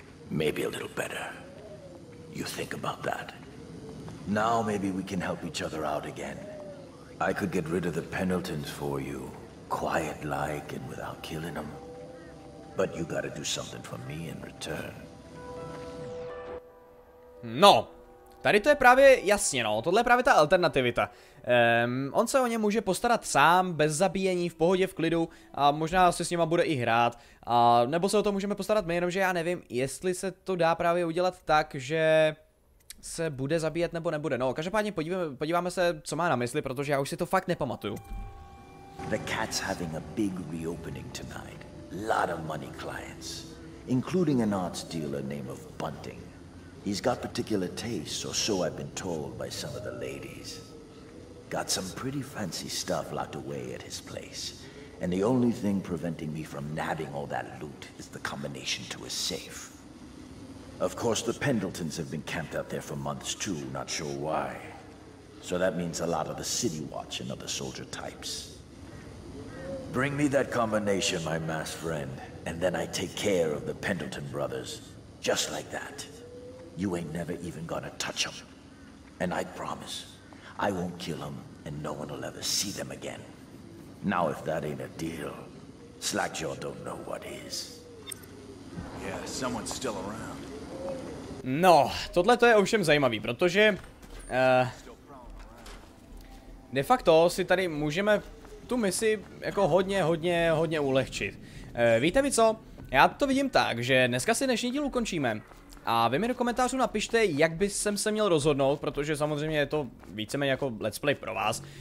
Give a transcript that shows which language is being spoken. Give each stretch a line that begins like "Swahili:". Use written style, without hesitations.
English: Maybe a little better. You think about that. Now maybe we can help each other out again. I could get rid of the Pendletons for you, quiet-like and without killing them. But you gotta do something for me in return.
Czech: No, tady to je právě jasně, no, tohle je právě ta alternativita. On se o ně může postarat sám, bez zabíjení, v pohodě, v klidu a možná se s nima bude i hrát. A nebo se o to můžeme postarat my, jenomže já nevím, jestli se to dá právě udělat tak, že se bude zabíjet nebo nebude. No, každopádně podíváme se, co má na mysli, protože já už si to fakt nepamatuju.
English: The cat's having a big reopening tonight. Lot of money clients, including an arts dealer name of Bunting. He's got particular tastes, or so I've been told by some of the ladies. Got some pretty fancy stuff locked away at his place. And the only thing preventing me from nabbing all that loot is the combination to his safe. Of course, the Pendletons have been camped out there for months too, not sure why. So that means a lot of the City Watch and other soldier types. Bring me that combination, my masked friend, and then I take care of the Pendleton brothers. Just like that. You ain't never even gonna touch them. And I promise, I won't kill them, and no one will ever see them again. Now if that ain't a deal, Slackjaw don't know what is. Yeah, someone's still around.
Czech: No, tohle to je ovšem zajímavý, protože de facto si tady můžeme tu misi jako hodně ulehčit. Víte mi co? Já to vidím tak, že dneska si dnešní díl ukončíme. A vy mi do komentářů napište, jak by jsem se měl rozhodnout, protože samozřejmě je to víceméně jako let's play pro vás.